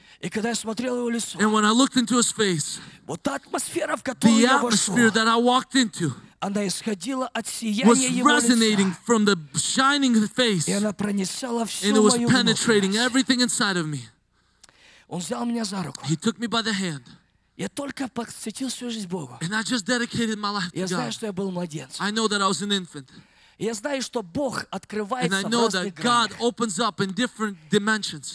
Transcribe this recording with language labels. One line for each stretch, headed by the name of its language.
Russian: И когда я смотрел его лицо,
English: and when I looked into his face,
Russian: вот та атмосфера, в которую
English: the
Russian: я
English: atmosphere
Russian: вошел,
English: that I walked into,
Russian: она исходила от сияния его
English: was resonating
Russian: лица.
English: From the shining face.
Russian: И она проникала всю мою
English: and it was penetrating everything inside of me.
Russian: Он взял меня за руку.
English: He took me by the hand.
Russian: Я только посвятил свою жизнь Богу.
English: And I just dedicated my life to
Russian: я
English: God.
Russian: Знаю, что я был младенцем.
English: I know that I was an infant.
Russian: Я знаю, что Бог открывается
English: and I know that God opens up in different dimensions.